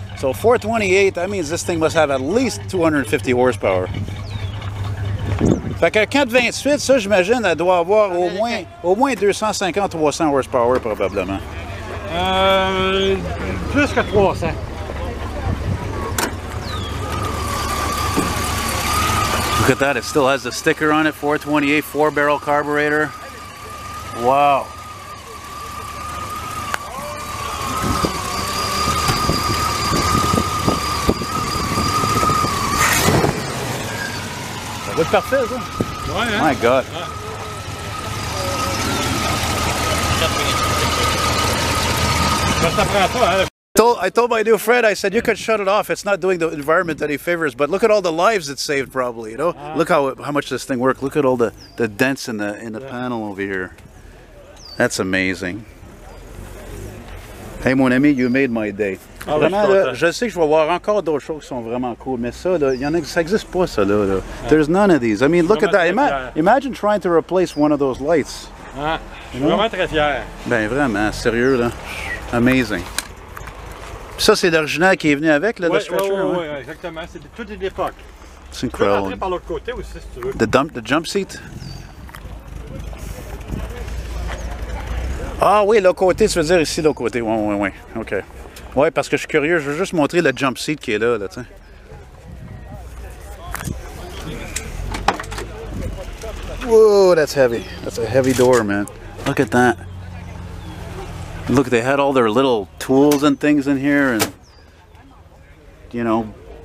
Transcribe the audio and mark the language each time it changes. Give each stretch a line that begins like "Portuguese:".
English: So 428, that means this thing must have at least 250 horsepower.
French: Fait que 428, ça j'imagine, elle doit avoir au moins 250-300 horsepower, probablement. Plus que 300.
English: Look at that, it still has the sticker on it, 428, 4-barrel carburetor. Wow.
French: Ça va être parfait, ça. Ouais, hein?
English: My God.
French: Ouais.
English: I told my new friend, I said, you can shut it off. It's not doing the environment any favors, but look at all the lives it saved probably, you know? Look how much this thing worked. Look at all the dents in the panel over here. That's amazing. Hey,
French: mon ami,
English: you made my day.
French: Ah, vraiment, là, je sais que je vais voir encore d'autres choses qui sont vraiment cool, mais ça, là, y en a, ça existe pas, ça, là. Ah.
English: There's none of these. I mean, look at that. Imagine trying to replace one of those lights.
French: Ah, je suis vraiment très fier. Ben, vraiment, sérieux, là.
English: Amazing.
French: Ça, c'est l'original qui est venu avec, là, ouais, le stretcher. Ouais, ouais, exactement. C'est de toute l'époque. C'est incroyable. Tu peux rentrer par l'autre côté aussi, si tu veux.
English: The jump seat?
French: Ah oui, l'autre côté, tu veux dire ici, l'autre côté. Oui, oui, oui. OK. Oui, parce que je suis curieux. Je veux juste montrer le jump seat qui est là, là, tu sais.
English: Whoa, that's heavy. That's a heavy door, man. Look at that. Look, they had all their little tools and things in here, and, you know.